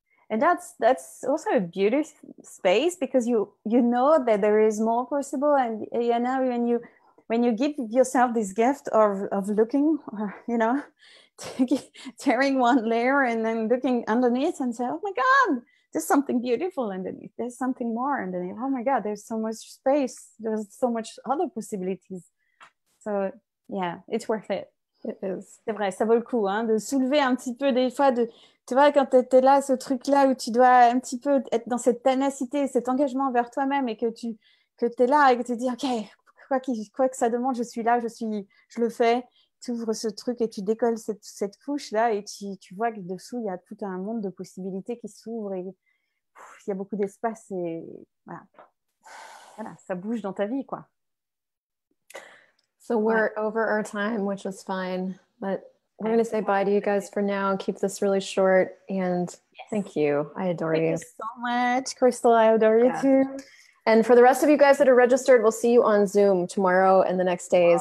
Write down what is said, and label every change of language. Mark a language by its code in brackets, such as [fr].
[en] And that's also a beauty space because you know that there is more possible, and you know when you give yourself this gift of looking, or you know, tearing one layer and then looking underneath and say, oh my God, there's something beautiful underneath, there's something more underneath, oh my God, there's so much space, there's so much other possibilities. So yeah, it's worth it. [fr] C'est vrai, ça vaut le coup, hein, de soulever un petit peu des fois, de, tu vois, quand t'es là, ce truc-là où tu dois un petit peu être dans cette ténacité, cet engagement envers toi-même et que t'es là et que tu dis, ok, quoi que ça demande, je suis là, je le fais, tu ouvres ce truc et tu décolles cette couche-là et tu vois que dessous, il y a tout un monde de possibilités qui s'ouvrent et il y a beaucoup d'espace et voilà, ça bouge dans ta vie, quoi. [en] So we're over our time, which is fine, but we're going to say bye to you guys for now. Keep this really short. And thank you. I adore you. Thank you so much, Crystal. I adore you too. And for the rest of you guys that are registered, we'll see you on Zoom tomorrow and the next days.